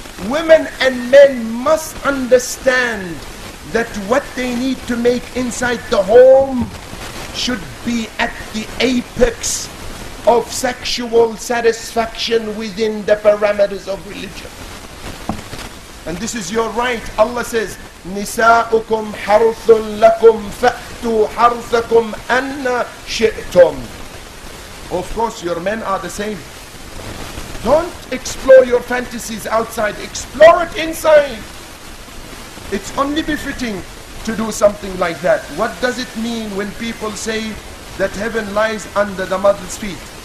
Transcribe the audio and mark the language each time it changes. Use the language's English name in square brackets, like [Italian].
[English] Women and men must understand that what they need to make inside the home should be at the apex of sexual satisfaction within the parameters of religion. And this is your right. Allah says, [Arabic] نِسَاءُكُمْ حَرْثٌ لَكُمْ فَأْتُوا حَرْثَكُمْ أَنَّ شِئْتُمْ. [English] Of course, your men are the same. Don't explore your fantasies outside, explore it inside. It's only befitting to do something like that. What does it mean when people say that heaven lies under the mother's feet?